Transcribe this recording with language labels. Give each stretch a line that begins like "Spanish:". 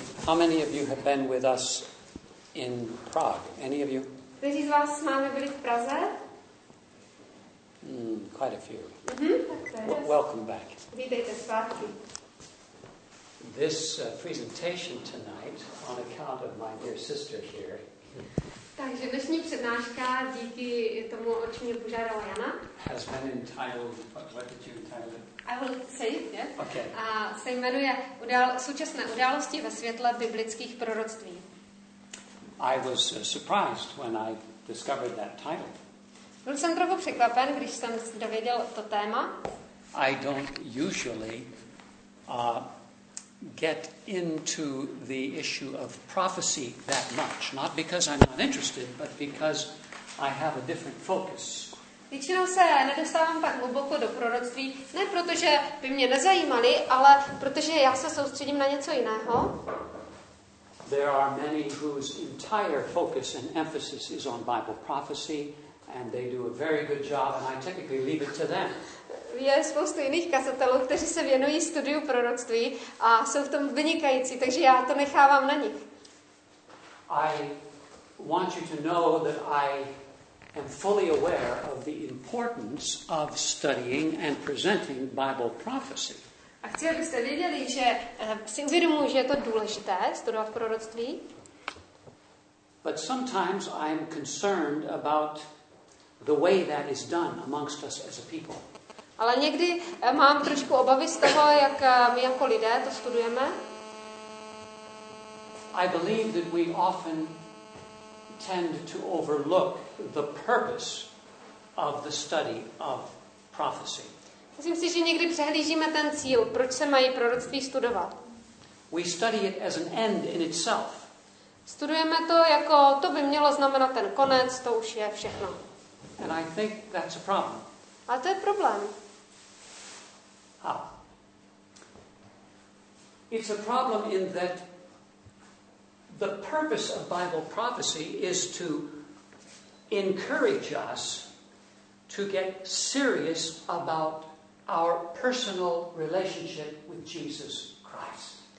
English: How many of you have been with us in Prague? Any of you?
Czech: Kteří z vás máme byli v Praze?
English: Quite a few. Mm-hmm. Welcome back.
Czech: Vítejte zpátky.
English: This presentation tonight, on account of my dear sister here.
Czech: Takže dnešní přednáška, díky tomu, o čem mě požádala Jana.
English: Has been entitled, what did you entitle it? I will say it, yeah. Okay.
Czech: A se jmenuje Současné události ve světle biblických proroctví.
English: I was surprised when I discovered that title.
Czech: Byl jsem trochu překvapen, když jsem dověděl to téma.
English: I don't usually get into the issue of prophecy that much, not because I'm not interested, but because I have a different focus.
Czech: Většinou se nedostávám tak hluboko do proroctví, ne protože by mě nezajímali, ale protože já se soustředím na něco jiného.
English: There are many whose entire focus and emphasis is on Bible prophecy, and they do a very good job, and I typically leave it to them.
Czech: Je spoustu jiných kazatelů, kteří se věnují studiu proroctví a jsou v tom vynikající, takže já to nechávám na nich.
English: I want you to know that I am fully aware of the importance of studying and presenting Bible prophecy.
Czech: A chci, abyste věděli, že si uvědomuji, že je to důležité studovat proroctví.
English: But sometimes I am concerned about the way that is done amongst us as a people.
Czech: Ale někdy mám trošku obavy z toho, jak my jako lidé to studujeme.
English: I believe that we often tend to overlook the purpose of the study of prophecy.
Czech: Myslím si, že někdy přehlížíme ten cíl, proč se mají proroctví studovat.
English: We study it as an end in itself.
Czech: Studujeme to jako to by mělo znamenat ten konec, to už je všechno.
English: And I think that's a problem.
Czech: A to je problém.
English: It's a problem in that the purpose of Bible prophecy is to encourage us to get serious about our personal relationship with Jesus Christ.